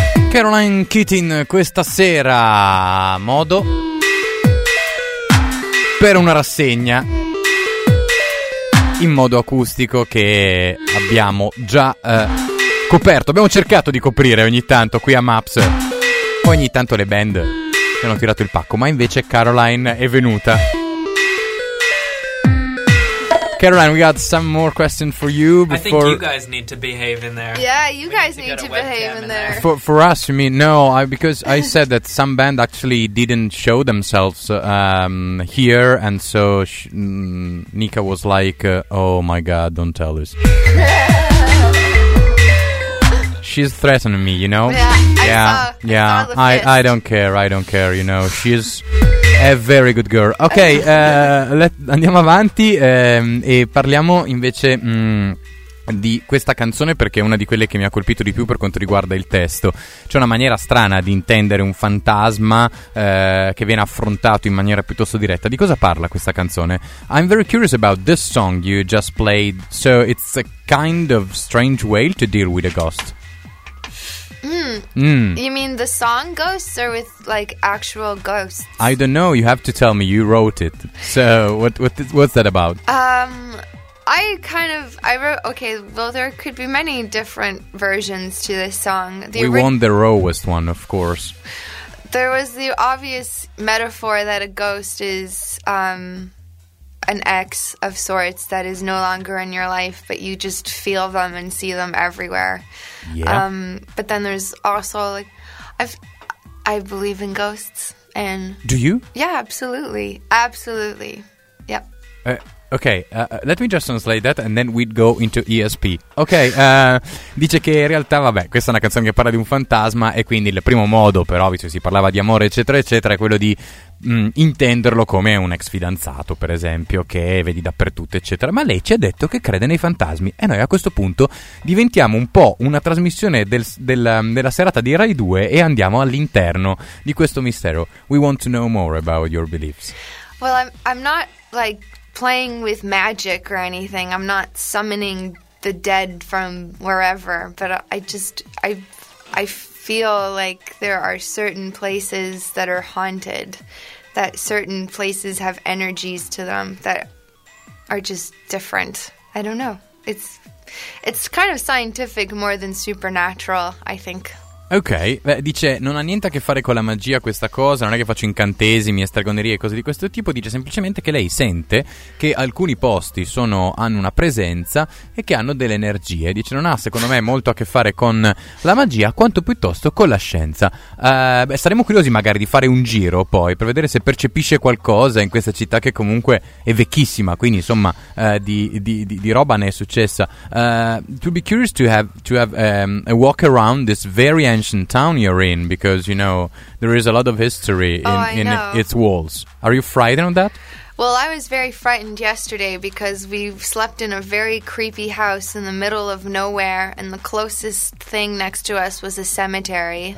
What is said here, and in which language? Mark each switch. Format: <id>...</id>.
<it>Caroline Keating questa sera, modo per una rassegna in modo acustico che abbiamo già coperto. Abbiamo cercato di coprire ogni tanto qui a Maps, poi ogni tanto le band ci hanno tirato il pacco, ma invece Caroline è venuta.</it> <en>Caroline, we got some more questions for you before. I think you guys need to behave in there. Yeah, you guys need to behave in there. For us, you mean? No, because I said that some band actually didn't show themselves here, and so Nika was like, "Oh my God, don't tell us." She's threatening me, you know. Yeah, I saw the fist. I don't care. You know, she's. È very good girl.</en> <it>Ok, andiamo avanti e parliamo invece di questa canzone, perché è una di quelle che mi ha colpito di più per quanto riguarda il testo. C'è una maniera strana di intendere un fantasma che viene affrontato in maniera piuttosto diretta. Di cosa parla questa canzone?</it> <en>I'm very curious about this song you just played. So it's a kind of strange way to deal with a ghost. You mean the song Ghosts or with like actual ghosts? I don't know, you have to tell me, you wrote it. So what's that about? I wrote, okay, well there could be many different versions to this song. We want the rawest one, of course. There was the obvious metaphor that a ghost is an ex of sorts that is no longer in your life, but you just feel them and see them everywhere. Yeah. But then there's also like, I believe in ghosts. And do you? Yeah, absolutely. Yep. Okay, let me just translate that and then we'd go into ESP.</en> <it>Ok, dice che in realtà, vabbè, questa è una canzone che parla di un fantasma e quindi il primo modo, però, visto che si parlava di amore, eccetera, eccetera, è quello di intenderlo come un ex fidanzato, per esempio, che vedi dappertutto, eccetera. Ma lei ci ha detto che crede nei fantasmi e noi a questo punto diventiamo un po' una trasmissione della serata di Rai 2 e andiamo all'interno di questo mistero.</it> <en>We want to know more about your beliefs. Well, I'm not like... playing with magic or anything. I'm not summoning the dead from wherever, but I feel like there are certain places that are haunted, that certain places have energies to them that are just different. I don't know. It's kind of scientific more than supernatural, I think.</en> <it>Ok, beh, dice non ha niente a che fare con la magia questa cosa, non è che faccio incantesimi e stregonerie e cose di questo tipo, dice semplicemente che lei sente che alcuni posti hanno una presenza e che hanno delle energie. Dice non ha secondo me molto a che fare con la magia quanto piuttosto con la scienza. Saremo curiosi magari di fare un giro poi per vedere se percepisce qualcosa in questa città che comunque è vecchissima, quindi insomma di roba ne è successa.</it> <en>To be curious to have a walk around this very ancient town you're in, because you know there is a lot of history in its walls. Are you frightened of that? Well, I was very frightened yesterday because we slept in a very creepy house in the middle of nowhere, and the closest thing next to us was a cemetery.</en>